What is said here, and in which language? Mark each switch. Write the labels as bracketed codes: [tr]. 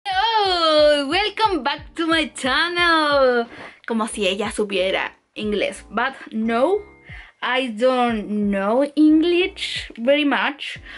[en] Welcome back to my channel. [es] Como si ella supiera inglés. [en] But no, I don't know English very much.